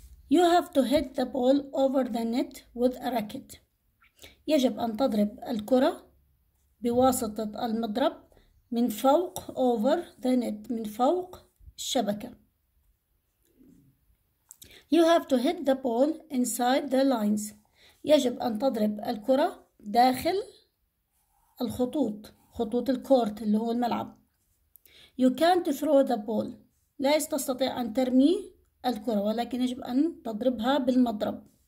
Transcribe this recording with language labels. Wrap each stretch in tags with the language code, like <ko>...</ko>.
<en>You have to hit the ball over the net with a racket.</en> <ar>يجب أن تضرب الكرة بواسطة المضرب من فوق over the net من فوق الشبكة.</ar> <en>You have to hit the ball inside the lines.</en> <ar>يجب أن تضرب الكرة داخل الخطوط خطوط الكورت اللي هو الملعب.</ar> <en>You can't throw the ball.</en> <ar>لا تستطيع أن ترمي الكرة ولكن يجب أن تضربها بالمضرب.</ar>